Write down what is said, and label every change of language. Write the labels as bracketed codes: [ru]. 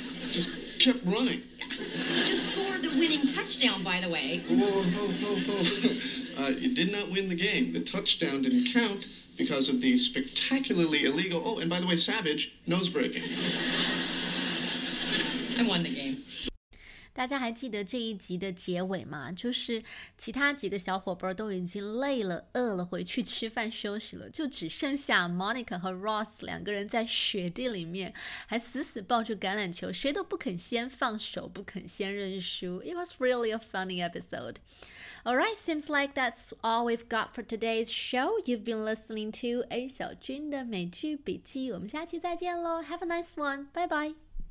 [en] Just kept running. To score the winning touchdown, by the way. Whoa. You did not win the game. The touchdown didn't count because of the spectacularly illegal, oh, and by the way, savage, nose breaking. I won the game. [zh] 大家还记得这一集的结尾吗？就是其他几个小伙伴都已经累了饿了回去吃饭休息了，就只剩下 Monica 和 Ross 两个人在雪地里面还死死抱住橄榄球，谁都不肯先放手，不肯先认输。 [en] It was really a funny episode. Alright, seems like that's all we've got for today's show. [zh] You've been listening to A 小军的美剧笔记，我们下期再见咯。 [en] Have a nice one. Bye bye.